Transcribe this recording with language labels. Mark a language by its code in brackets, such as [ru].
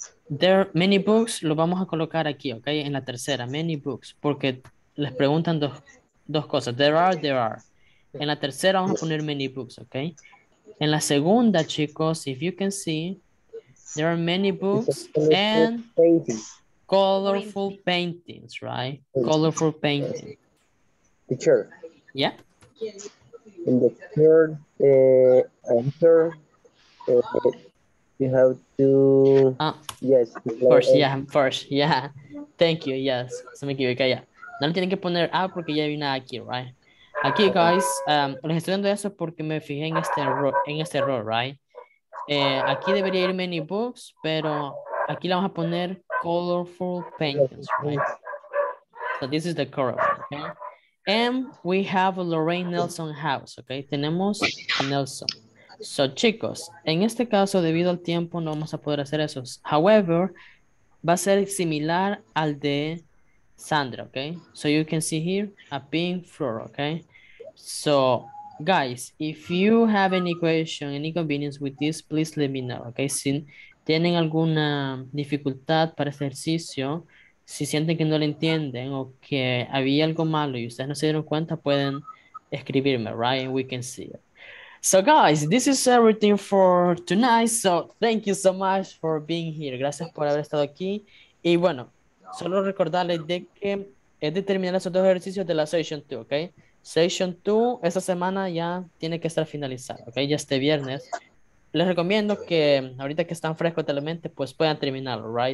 [en] There many books, [es] lo vamos a colocar aquí, ok, en la tercera, [en] many books, [es] porque les preguntan dos cosas, [en] there are, [es] en la tercera vamos a poner [en] many books, ok, [es] en la segunda, chicos, [en] if you can see, there are many books and colorful paintings, right, colorful painting. Teacher. Yeah. In the third answer, you have to, yes. First, yeah, first, yeah. Thank you, yes. [es] Se me equivoca, ya. No le tienen que poner A porque ya viene aquí, right? Aquí, guys, les estoy dando eso porque me fijé en este error, right? Aquí debería ir many books, pero aquí le vamos a poner colorful paintings, right? [en] So this is the correct one, okay? And we have a Lorraine Nelson house, okay? [es] Tenemos Nelson. So, chicos, en este caso, debido al tiempo, no vamos a poder hacer eso. However, va a ser similar al de Sandra, okay? [en] So, you can see here, a pink floor, okay? So, guys, if you have any question, any inconvenience with this, please let me know, okay? [es] Si tienen alguna dificultad para este ejercicio, si sienten que no lo entienden o que había algo malo y ustedes no se dieron cuenta, pueden escribirme, right? [en] We can see it. So guys, this is everything for tonight. So thank you so much for being here. [es] Gracias por haber estado aquí. Y bueno, solo recordarles de que es de terminar esos dos ejercicios de la Session 2, ¿ok? Session 2, esta semana ya tiene que estar finalizada, ¿ok? Ya este viernes. Les recomiendo que ahorita que están frescos de la mente, pues puedan terminarlo, ¿right?